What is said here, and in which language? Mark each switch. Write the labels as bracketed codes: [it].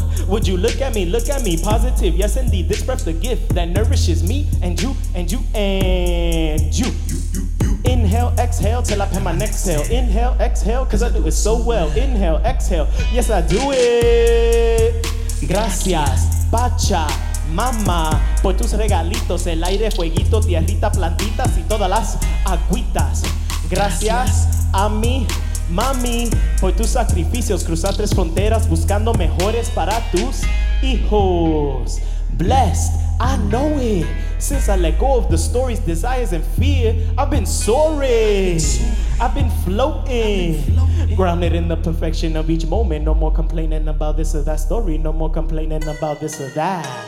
[en] Would you look at me, positive. Yes, indeed, this breath's a gift that nourishes me and you and you and you. Inhale, exhale, till I pen my next tail. Inhale, exhale, cause I do it so well. Inhale, exhale, yes, I do it. [es] Gracias, Pacha, Mama, por tus regalitos, el aire, fueguito, tierrita, plantitas y todas las agüitas. Gracias a mi mami, por tus sacrificios, cruzar tres fronteras, buscando mejores para tus hijos. [en] Blessed, I know it. Since I let go of the stories, desires, and fear, I've been soaring. I've been floating. Grounded in the perfection of each moment. No more complaining about this or that story. No more complaining about this or that.